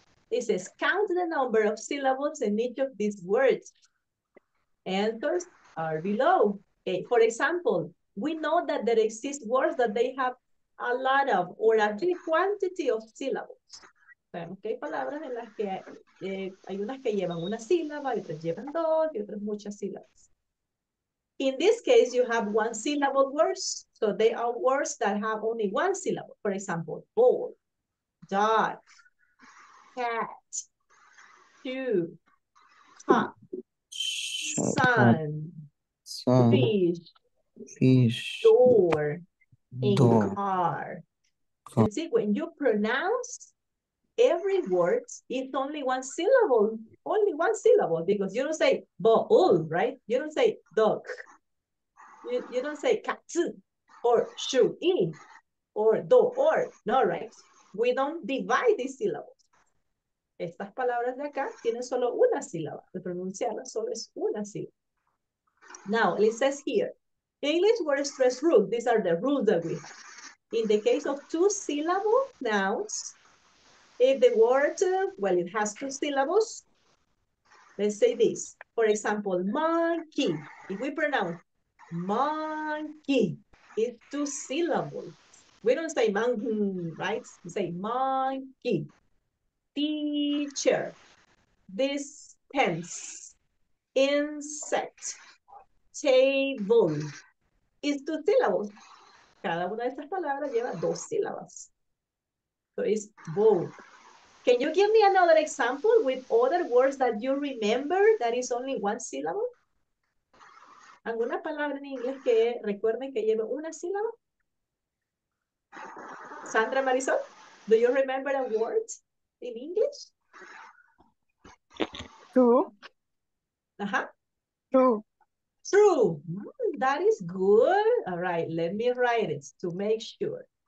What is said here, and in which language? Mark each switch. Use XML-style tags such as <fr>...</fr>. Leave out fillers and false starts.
<en>It says, count the number of syllables in each of these words. Answers are below. Okay. For example, we know that there exist words that they have a lot of or a big quantity of syllables.</en> <es>Sabemos que hay palabras en las que hay unas que llevan una sílaba, y otras llevan dos, y otras muchas sílabas.</es> <en>In this case, you have one syllable words. So they are words that have only one syllable. For example, ball, dog, cat, shoe, cup, sun, fish, door, and car. You see, when you pronounce every word, it's only one syllable, only one syllable, because you don't say ball, right? You don't say dog. You don't say cat or shoe or do or, no, right? We don't divide these syllables.</en> <es>Estas palabras de acá tienen solo una sílaba. De pronunciarlas solo es una sílaba.</es> <en>Now, it says here, English word stress rules. These are the rules that we have. In the case of two syllable nouns, if the word, well, it has two syllables, let's say this. For example, monkey. If we pronounce monkey, it's two syllables. We don't say monkey, right? We say monkey. Teacher. Dispense. Insect. Table. It's two syllables.</en> <es>Cada una de estas palabras lleva dos sílabas.</es> <en>So it's both. Can you give me another example with other words that you remember that is only one syllable?</en> <es>¿Alguna palabra en inglés que recuerden que lleve una sílaba?</es> <en>Sandra Marisol, do you remember a word in English? True. True. True. That is good. All right, let me write it to make sure.</en>